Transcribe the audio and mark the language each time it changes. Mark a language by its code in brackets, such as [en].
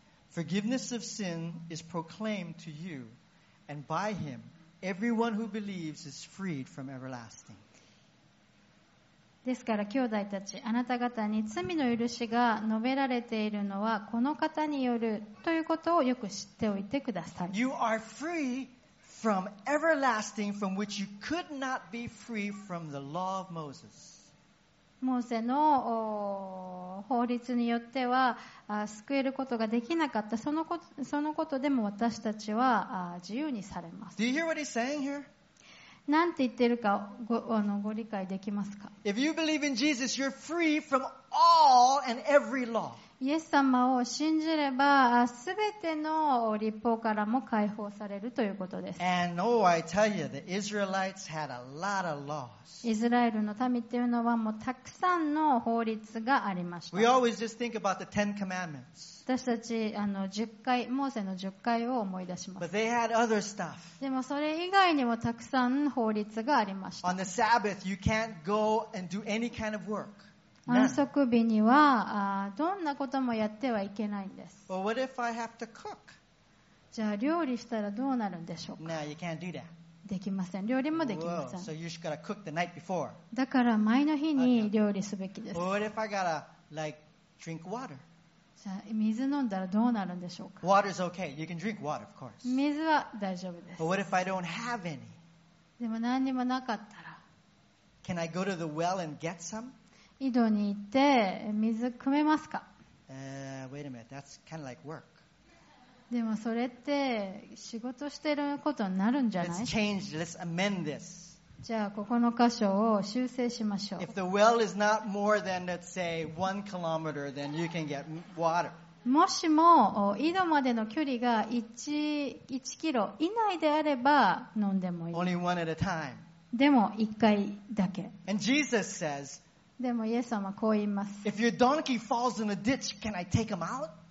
[en] Forgiveness of sin is proclaimed to you, and by him, everyone who believes is freed from everlasting. [ja] ですから兄弟たち、あなた方に罪の許しが述べられているのはこの方によるということをよく知っておいてください。 [en] You are free from everlasting from which you could not be free from the law of Moses. [ja] モーセの法律によっては救えることができなかった。そのことでも私たちは自由にされます。 [en] Do you hear what he's saying here? [ja] なんて言ってるか ご理解できますか? [en] If you believe in Jesus, you're free from all and every law. [ja] イエス様を信じれば、すべての律法からも解放されるということです。 [en] And oh, I tell you, the Israelites had a lot of laws. [ja] イスラエルの民というのはもうたくさんの法律がありました。 [en] We always just think about the Ten Commandments. [ja] 私たち10回、モーセの10回を思い出します。 [en] But they had other stuff. [ja] でもそれ以外にもたくさん法律がありました。 [en] On the Sabbath, you can't go and do any kind of work. [ja] 安息日にはどんなこともやってはいけないんです。 [en] Well, what if I have to cook? [ja] じゃあ料理したらどうなるんでしょうか? [en] No, you can't do that. [ja] できません。料理もできません。 [en] So you should gotta cook the night before. [ja] だから前の日に料理すべきです。 [en] What if I gotta, like, drink water? [ja] じゃあ水飲んだらどうなるんでしょうか? [en] Water is okay. You can drink water, of course. [ja] 水は大丈夫です。 [en] But what if I don't have any? [ja] でも何にもなかったら。 [en] Can I go to the well and get some? [ja] 井戸に行って水汲めますか? [en] Wait a minute. That's kind of like work. [ja] でもそれって仕事してることになるんじゃない? [en] Let's change, let's amend this. [ja] じゃあここの箇所を修正しましょう。 [en] If the well is not more than, let's say, 1 kilometer, then you can get water. [ja] もしも井戸までの距離が 1キロ以内であれば飲んでもいい。 [en] Only one at a time. [ja] でも一回だけ。 [en] And Jesus says, [ja] でもイエス様こう言います。 [en] If your donkey falls in a ditch, can I take him out?